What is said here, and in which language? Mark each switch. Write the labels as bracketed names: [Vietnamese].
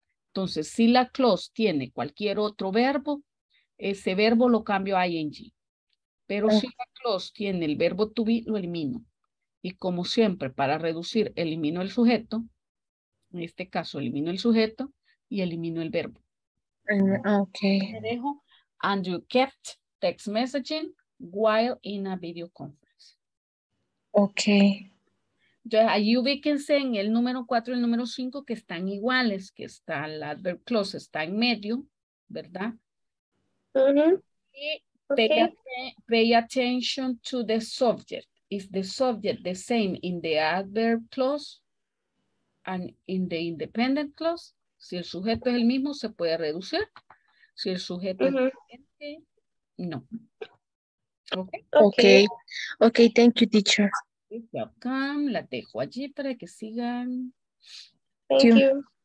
[Spanish] Entonces, si la clause tiene cualquier otro verbo, ese verbo lo cambio a ing. Pero si la clause plus tiene el verbo to be, lo elimino. Y como siempre, para reducir, elimino el sujeto. En este caso, elimino el sujeto y elimino el verbo. [English] Ok. [Spanish] Me dejo. [English] And you kept text messaging while in a video conference. Ok. [Spanish] Entonces, ahí ubíquense en el número 4 y el número 5 que están iguales, que está el adverb clause, está en medio, ¿verdad? Uh-huh. [English] Y pay attention to the subject. Is the subject the same in the adverb clause and in the independent clause? [Spanish] Si el sujeto es el mismo, se puede reducir. Si el sujeto uh-huh. es diferente, no. [English] Okay. Okay. Okay, thank you, teacher. Welcome. [Spanish] La dejo allí para que sigan. [English] Thank you. You.